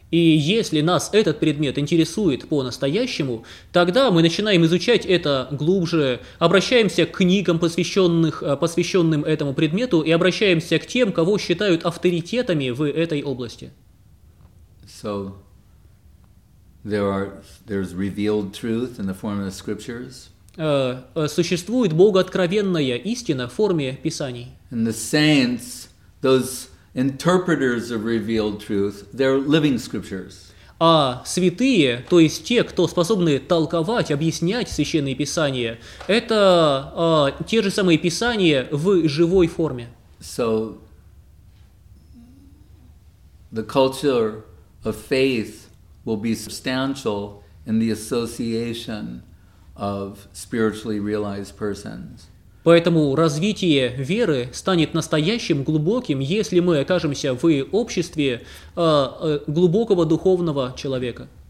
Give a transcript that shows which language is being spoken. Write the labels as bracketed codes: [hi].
[ru] И если нас этот предмет интересует по-настоящему, тогда мы начинаем изучать это глубже, обращаемся к книгам, посвященным этому предмету, и обращаемся к тем, кого считают авторитетами в этой области. [en] So, there's revealed truth in the form of the scriptures. [ru] Существует богооткровенная истина в форме писаний. [en] And the saints, those interpreters of revealed truth, they're living scriptures. [ru] А святые, то есть те, кто способны толковать, объяснять священные писания, это те же самые писания в живой форме. [en] So, the culture of faith will be substantial in the association of spiritually realized persons. [ru] Поэтому развитие веры станет настоящим, глубоким, если мы окажемся в обществе глубокого духовного человека.